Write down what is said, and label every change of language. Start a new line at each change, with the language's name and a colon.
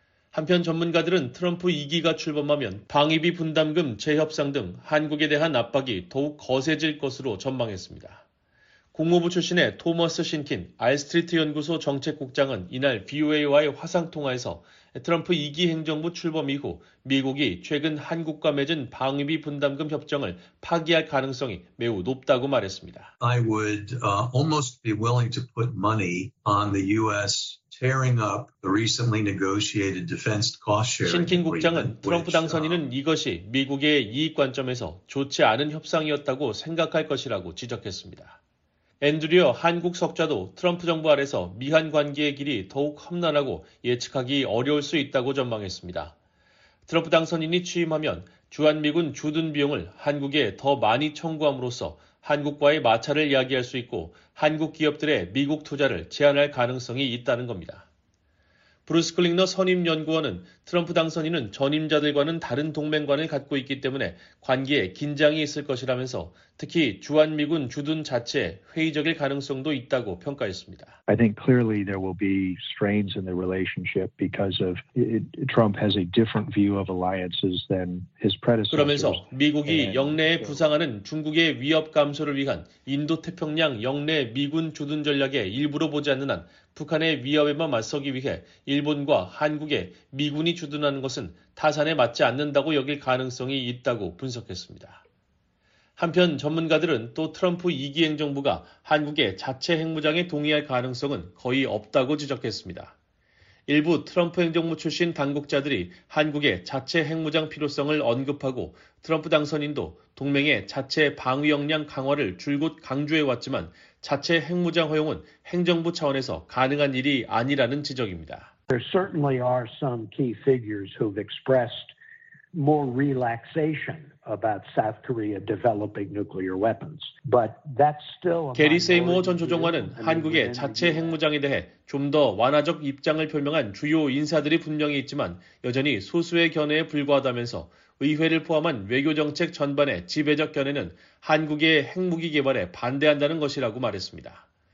Korean: 한편 전문가들은 트럼프 2기가 출범하면 방위비 분담금 재협상 등 한국에 대한 압박이 더욱 거세질 것으로 전망했습니다. 국무부 출신의 토머스 신킨 알스트리트 연구소 정책국장은 이날 VOA와의 화상통화에서 트럼프 2기 행정부 출범 이후 미국이 최근 한국과 맺은 방위비 분담금 협정을 파기할 가능성이 매우 높다고 말했습니다.
English: I would almost be willing to put money on the U.S. tearing up the recently negotiated defense cost sharing.
Korean: 신킨 국장은 트럼프 당선인은 이것이 미국의 이익 관점에서 좋지 않은 협상이었다고 생각할 것이라고 지적했습니다. 앤드류어 한국 석좌도 트럼프 정부 아래서 미한 관계의 길이 더욱 험난하고 예측하기 어려울 수 있다고 전망했습니다. 트럼프 당선인이 취임하면 주한미군 주둔 비용을 한국에 더 많이 청구함으로써 한국과의 마찰을 야기할 수 있고 한국 기업들의 미국 투자를 제한할 가능성이 있다는 겁니다. 브루스 클링너 선임 연구원은 트럼프 당선인은 전임자들과는 다른 동맹관을 갖고 있기 때문에 관계에 긴장이 있을 것이라면서 특히 주한미군 주둔 자체에 회의적일 가능성도 있다고 평가했습니다.
English: I think clearly there will be strains in the relationship because of Trump has a different view of alliances than his predecessors.
Korean: 그러면서 미국이 영내에 부상하는 중국의 위협 감소를 위한 인도태평양 영내 미군 주둔 전략에 일부러 보지 않는 한 북한의 위협에만 맞서기 위해 일본과 한국에 미군이 주둔하는 것은 타산에 맞지 않는다고 여길 가능성이 있다고 분석했습니다. 한편 전문가들은 또 트럼프 2기 행정부가 한국의 자체 핵무장에 동의할 가능성은 거의 없다고 지적했습니다. 일부 트럼프 행정부 출신 당국자들이 한국의 자체 핵무장 필요성을 언급하고 트럼프 당선인도 동맹의 자체 방위 역량 강화를 줄곧 강조해왔지만 자체 핵무장 허용은 행정부 차원에서 가능한 일이 아니라는 지적입니다.
English: There certainly are some key figures who've expressed more relaxation about South Korea developing nuclear weapons. But that's still a
Korean: 게리 세이모 전 조정관은 한국의 자체 핵무장에 대해 좀 더 완화적 입장을 표명한 주요 인사들이 분명히 있지만 여전히 소수의 견해에 불과하다면서 의회를 포함한 외교정책 전반의 지배적 견해는 한국의 핵무기 개발에 반대한다는 것이라고 말했습니다.